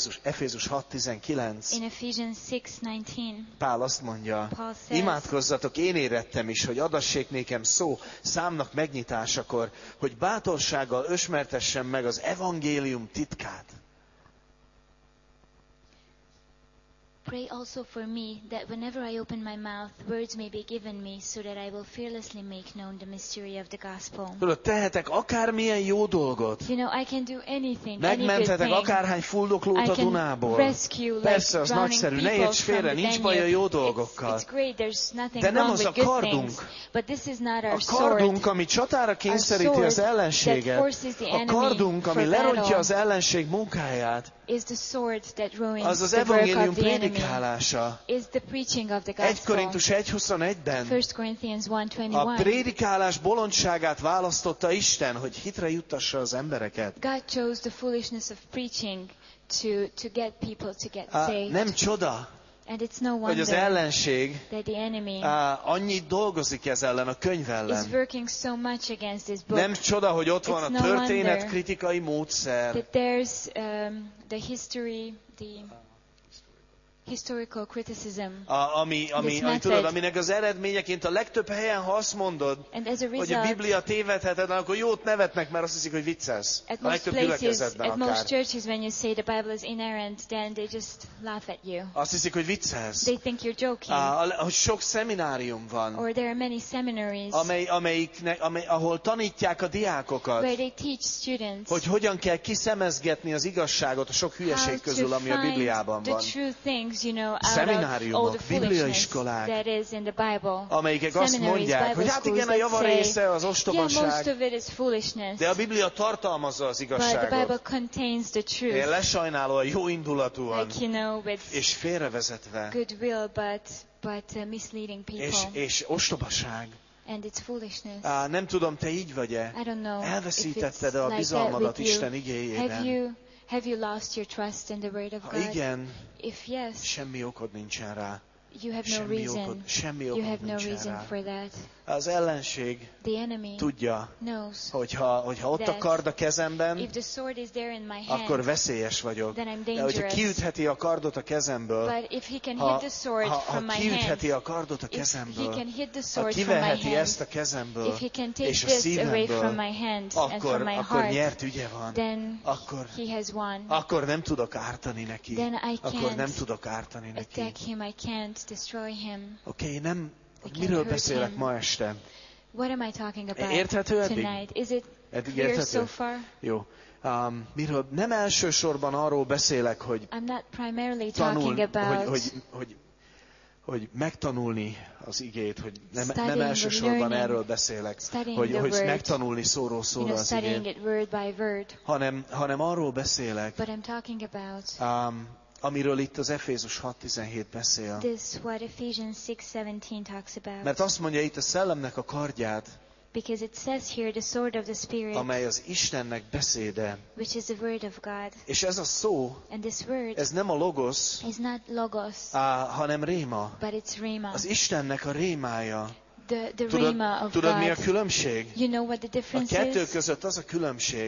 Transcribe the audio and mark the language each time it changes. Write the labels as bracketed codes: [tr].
[hu] Efézus 6:19. [en] In Ephesians 6:19. [hu] Pál azt mondja, [en] Paul says, [hu] imádkozzatok én érettem is, hogy adassék nékem szó számnak megnyitásakor, hogy bátorsággal ösmertessem meg az evangélium titkát. [en] Pray also for me that whenever I open my mouth, words may be given me, so that I will fearlessly make known the mystery of the gospel. [hu] Tehetek akármilyen jó dolgot. [en] You know, I can do anything. [hu] Megmenthetek akárhány fuldoklót a Dunából. Persze, az nagyszerű. Ne érts félre, nincs baj a jó dolgokkal. [en] It's great. There's nothing wrong with good things. [hu] De nem az a kardunk. [en] But this is not our sword. [hu] A kardunk, ami csatára kényszeríti az ellenséget. A kardunk, ami lerontja az ellenség munkáját. [en] Is the sword that ruins [hu] az az [en] the [hu] evangélium [en] work of the [hu] prédikálása. [en] Is the preaching of the gospel. [hu] 1 Korintus 1:21-ben. [en] 1 Corinthians 1:21. [hu] A prédikálás bolondságát választotta Isten, hogy hitre juttassa az embereket. [en] God chose the foolishness of preaching to get people to get saved. [hu] Nem csoda. [en] And it's no wonder [hu] hogy az ellenség annyit dolgozik ez ellen a könyv ellen. [en] Is working so much against this book. [hu] Nem csoda, hogy ott van a történet kritikai módszer. [en] That there's the history, the historical criticism. [hu] Ami tudod, aminek az eredményeként a legtöbb helyen, ha azt mondod, [en] result, [hu] hogy a Biblia tévedhetetlen, akkor jót nevetnek, mert azt hiszik, hogy viccelsz. A legtöbb gyülekezetben akár. [en] At most churches, when you say the Bible is inerrant, then they just laugh at you. [hu] Azt hiszik, hogy viccelsz. [en] They think you're joking. [hu] Sok szeminárium van. [en] Or there are many seminaries. [hu] Ahol tanítják a diákokat. [en] Where they teach students. [hu] Hogy hogyan kell kiszemezgetni az igazságot a sok hülyeség közül, ami a Bibliában van. [en] The true things. You know, [hu] szemináriumok, bibliaiskolák, amelyikek azt mondják, hogy hát igen, a java része az ostobaság, de a Biblia tartalmazza az igazságot. Én lesajnáló a jó indulatúan, [en] like, you know, [hu] és félrevezetve, [en] goodwill, but misleading people. [hu] És ostobaság. [en] And it's foolishness. [hu] Nem tudom, te így vagy-e? Elveszítetted a bizalmadat [en] like [hu] Isten igéjében? [en] Have you lost your trust in the word of God? [hu] Ha igen, [en] if yes, [hu] semmi okod nincsen rá. [en] You have [hu] semmi [en] no reason. [hu] Okod, semmi okod [en] you have no reason [hu] rá. [en] For that. [hu] Az ellenség [en] the enemy [hu] tudja, [en] knows [hu] hogyha ott a kard a kezemben, [en] if the sword is there in my hand, [hu] akkor veszélyes vagyok. [en] Then I'm dangerous. [hu] De hogyha kiütheti a kardot a kezemből, [en] but if he can hit the sword [hu] ha [en] from [hu] kiütheti [en] my [hu] a kardot a kezemből, [en] if he can hit the sword [hu] ha kiveheti ezt a kezemből, [en] if he can take [hu] és a szívemből, akkor nyert ügye van. [en] Then [hu] akkor, [en] he has won. [hu] Akkor nem tudok ártani neki. [en] Then I can't [hu] akkor nem tudok ártani neki. [en] Attack him, I can't destroy him. [hu] Okay, nem... Miről beszélek ma este? [en] What am I talking about? [hu] Érthető eddig? [en] Tonight? Is it clear so far? [hu] Jó. Miről nem elsősorban arról beszélek, hogy [en] I'm not primarily talking about [hu] hogy megtanulni az igét, hogy nem elsősorban erről beszélek, hogy [en] word, [hu] megtanulni szóról szóra [en] you know, [hu] az igét. Hanem arról beszélek. [en] But I'm talking about [hu] amiről itt az Efézus 6:17 beszél. [en] This what Ephesians 6:17 talks about. [hu] Mert azt mondja itt a szellemnek a kardját, [en] because it says here the sword of the spirit, [hu] amely az Istennek beszéde, [en] which is the word of God. [hu] És ez a szó, [en] and this word, [hu] ez nem a logos, [en] is not logos, [hu] hanem réma. [en] But it's réma. [hu] Az Istennek a rémája. [en] The [hu] tudod, [en] réma of [hu] tudod [en] God. [hu] Mi a különbség? [en] You know what the difference [hu] a kettő között az a különbség,